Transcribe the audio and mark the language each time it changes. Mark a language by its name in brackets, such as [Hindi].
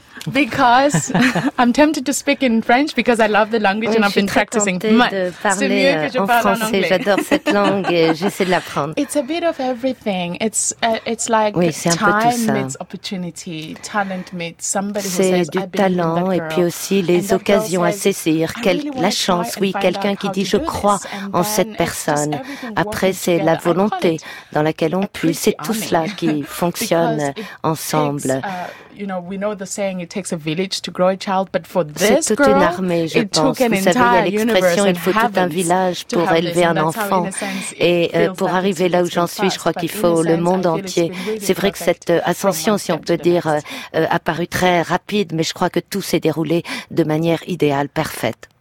[English] Because I'm tempted to speak in French because I love the language and I've been practicing. [French] Je suis très tentée de parler en français. J'adore cette langue et j'essaie de l'apprendre. [English] It's a bit of everything. It's like time meets opportunity, talent meets somebody who says, [French] du talent et puis aussi les occasions à saisir, la chance, oui, quelqu'un qui dit je crois en cette personne. Après, c'est la volonté dans laquelle on pue, c'est tout cela qui fonctionne ensemble. [English] You know, we know the saying, it takes a village to grow a child, but for this [French] c'est toute une armée, je pense. Vous savez, il y a l'expression, il faut tout un village pour élever un enfant. Et pour arriver là où j'en suis, je crois qu'il faut le monde entier. C'est vrai que cette ascension, si on peut dire, a paru très rapide, mais je crois que tout s'est déroulé de manière idéale, parfaite.